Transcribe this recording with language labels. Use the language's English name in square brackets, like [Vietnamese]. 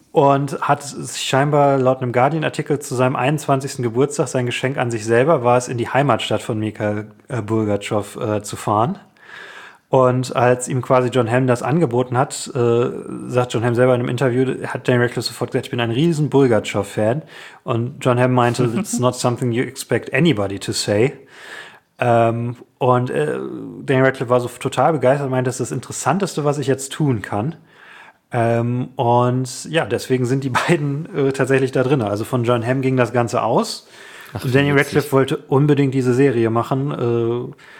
[German] Und hat scheinbar laut einem Guardian-Artikel zu seinem 21. Geburtstag sein Geschenk an sich selber war es, in die Heimatstadt von Mikhail Bulgachev zu fahren. Und als ihm quasi John Hamm das angeboten hat, sagt John Hamm selber in einem Interview, hat Daniel Radcliffe sofort gesagt, ich bin ein riesen Bulgachev-Fan. Und John Hamm meinte, [English] it's not something you expect anybody to say. [German] Daniel Radcliffe war so total begeistert und meinte, das ist das Interessanteste, was ich jetzt tun kann. Deswegen sind die beiden tatsächlich da drin. Also von John Hamm ging das Ganze aus. Daniel Radcliffe wollte unbedingt diese Serie machen.